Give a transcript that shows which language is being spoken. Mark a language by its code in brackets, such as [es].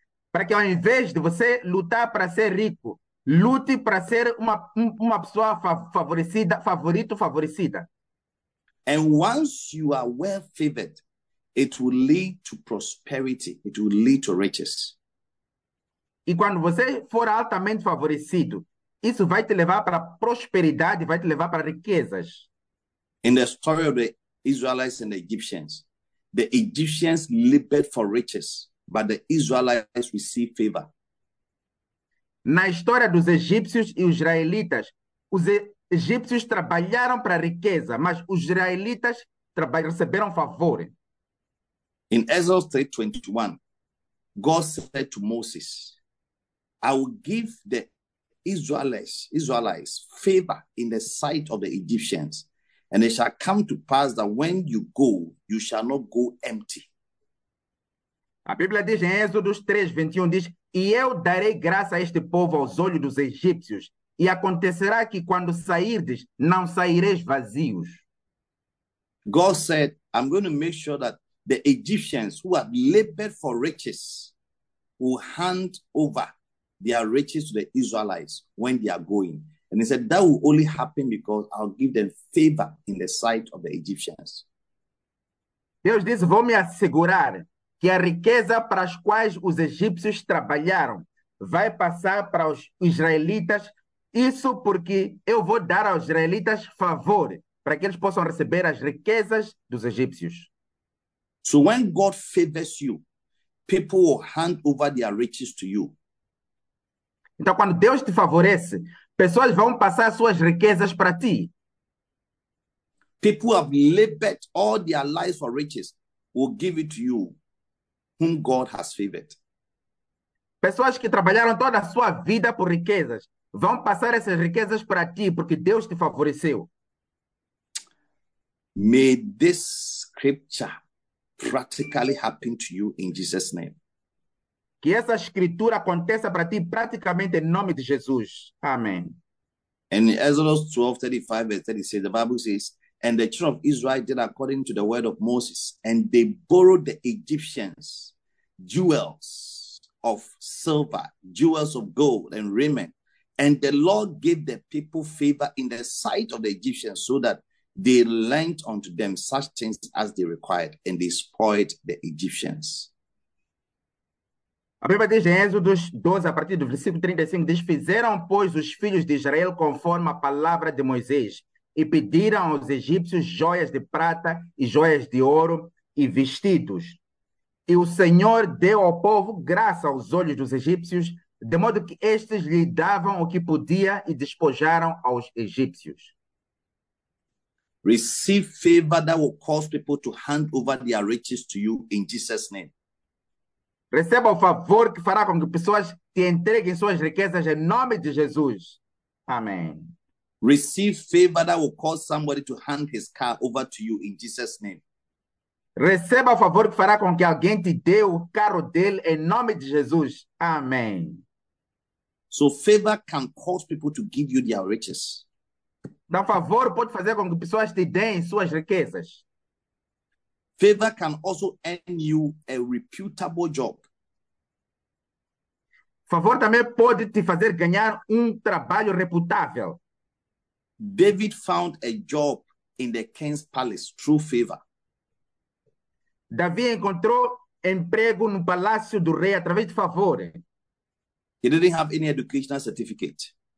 [pt] Para que ao invés de você lutar para ser rico, lute para ser uma pessoa favorecida, favorito, favorecida. [en] And once you are well favored, it will lead to prosperity, it will lead to riches. [pt] E quando você for altamente favorecido, isso vai te levar para prosperidade, vai te levar para riquezas. [en] In the story of the Israelites and the Egyptians labored for riches, but the Israelites received favor. [pt] Na história dos egípcios e israelitas, os egípcios trabalharam para riqueza, mas os israelitas receberam favor. [en] In Exodus 3:21, God said to Moses, I will give the Israelites favor in the sight of the Egyptians, and it shall come to pass that when you go, you shall not go empty. [pt] A Bíblia diz em Êxodo 3, 21, diz: E eu darei graça a este povo aos olhos dos egípcios, e acontecerá que quando sairdes, não saireis vazios. [en] God said, I'm going to make sure that the Egyptians who have labored for riches will hand over their riches to the Israelites when they are going. And he said, that will only happen because I'll give them favor in the sight of the Egyptians. [pt] Deus disse: Vou me assegurar que a riqueza para as quais os egípcios trabalharam vai passar para os israelitas, isso porque eu vou dar aos israelitas favor para que eles possam receber as riquezas dos egípcios. [en] So when God favors you, people will hand over their riches to you. [pt] Então, quando Deus te favorece, pessoas vão passar as suas riquezas para ti. [en] People have labored all their lives for riches, will give it to you, whom God has favored. [pt] Pessoas que trabalharam toda a sua vida por riquezas vão passar essas riquezas para ti, porque Deus te favoreceu. [en] May this scripture practically happen to you in Jesus' name. [pt] Que essa escritura aconteça para ti praticamente em nome de Jesus. Amém. [en] And in Exodus 12:35 and 36, the Bible says, and the children of Israel did according to the word of Moses, and they borrowed the Egyptians jewels of silver, jewels of gold, and raiment. And the Lord gave the people favor in the sight of the Egyptians, so that they lent unto them such things as they required, and they spoiled the Egyptians. [pt] A Bíblia diz em Êxodo 12, a partir do versículo 35, diz: Fizeram, pois, os filhos de Israel conforme a palavra de Moisés, e pediram aos egípcios joias de prata e joias de ouro e vestidos. E o Senhor deu ao povo graça aos olhos dos egípcios, de modo que estes lhe davam o que podia e despojaram aos egípcios. [en] Receive favor that will cause people to hand over their riches to you in Jesus' name. [pt] Receba o favor que fará com que pessoas te entreguem suas riquezas em nome de Jesus. Amém. [en] Receive favor that will cause somebody to hand his car over to you in Jesus' name. [pt] Receba o favor que fará com que alguém te dê o carro dele em nome de Jesus. Amém. [en] So favor can cause people to give you their riches. [pt] Dá favor pode fazer com que pessoas te deem suas riquezas. [en] Favor can also earn you a reputable job. [pt] Favor também pode te fazer ganhar um trabalho reputável. [en] David found a job in the king's palace through favor. [pt] Davi encontrou emprego no palácio do rei através de favor. [en] He didn't have any educational certificate.